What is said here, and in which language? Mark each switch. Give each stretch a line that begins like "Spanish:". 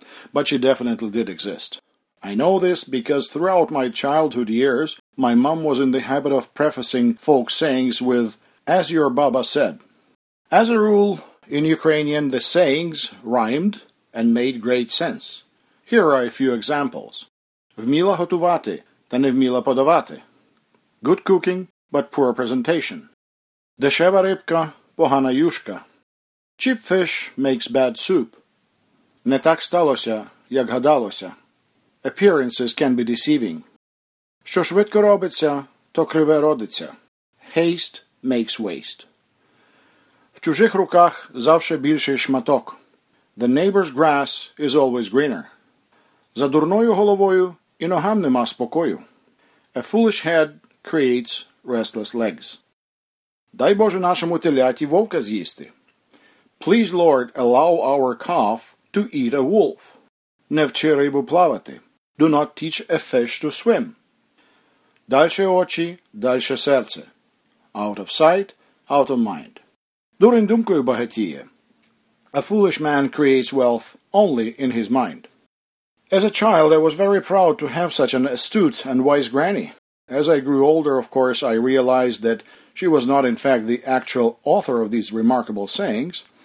English: But she definitely did exist. I know this because throughout my childhood years, my mom was in the habit of prefacing folk sayings with, "As your Baba said." As a rule, in Ukrainian, the sayings rhymed and made great sense. Here are a few examples.
Ukrainian: Вміла готувати, та не вміла подавати.
English: Good cooking, but poor presentation.
Ukrainian: Дешева рибка, погана юшка.
English: Cheap fish makes bad soup.
Ukrainian: Не так сталося, як гадалося.
English: Appearances can be deceiving.
Ukrainian: Що швидко робиться, то криве родиться.
English: Haste makes waste.
Ukrainian: В чужих руках завжди більший шматок.
English: The neighbor's grass is always greener.
Ukrainian: За дурною головою і ногам нема спокою.
English: A foolish head creates restless legs.
Ukrainian: Дай Боже нашому теляті вовка з'їсти.
English: Please, Lord, allow our calf to eat a wolf.
Ukrainian: Не вчи рибу плавати.
English: Do not teach a fish to swim.
Ukrainian: Дальше очі, дальше серце.
English: Out of sight, out of mind.
Ukrainian: Дурень думкою багатіє.
English: A foolish man creates wealth only in his mind. As a child, I was very proud to have such an astute and wise granny. As I grew older, of course, I realized that she was not, in fact, the actual author of these remarkable sayings.